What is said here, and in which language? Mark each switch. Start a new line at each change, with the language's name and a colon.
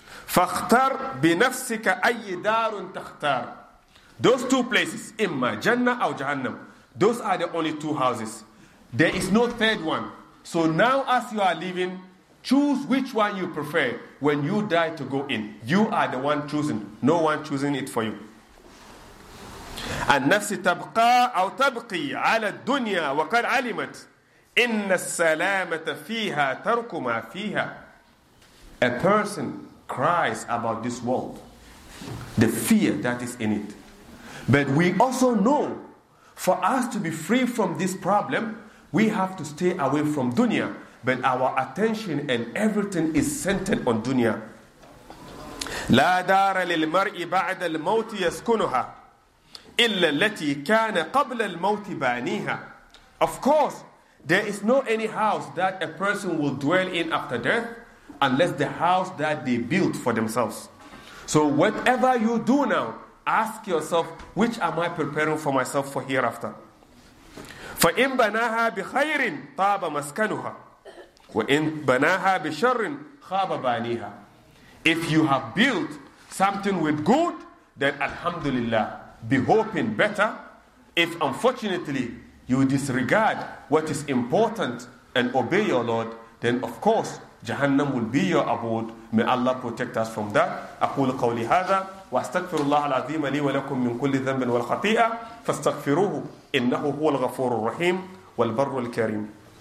Arabic: فَاخْتَرْ بِنَفْسِكَ أَيِّ دَارٌ تَخْتَرْ.
English: Those two places,
Arabic: إِمَّا جَنَّةً أَوْ جَهَنَّمْ.
English: Those are the only two houses. There is no third one. So now as you are living, choose which one you prefer when you die to go in. You are the one choosing. No one choosing it for you.
Arabic: النفس تبقى أو تبقي على الدنيا وقد علمت إن السلامة فيها ترك ما فيها.
English: A person cries about this world, the fear that is in it. But we also know, for us to be free from this problem, we have to stay away from dunya. But our attention and everything is centered on dunya.
Arabic: لا دار للمرء بعد الموت يسكنها إلا التي كان قبل الموت بانيها.
English: Of course, there is no any house that a person will dwell in after death, unless the house that they built for themselves. So whatever you do now, ask yourself, which am I preparing for myself for hereafter?
Arabic: فَإِن بَنَاهَا بِخَيْرٍ طَابَ مَسْكَنُهَا وَإِن بَنَاهَا بِشَرٍ خَابَ بَانِيهَا.
English: If you have built something with good, then alhamdulillah, be hoping better. If unfortunately you disregard what is important and obey your Lord, then of course, Jahannam will be your abode. May Allah protect us from that.
Arabic: أقول قولي هذا واستغفر الله العظيم لي ولكم من كل ذنب والخطيئة فاستغفروه إنه هو الغفور الرحيم والبر الكريم.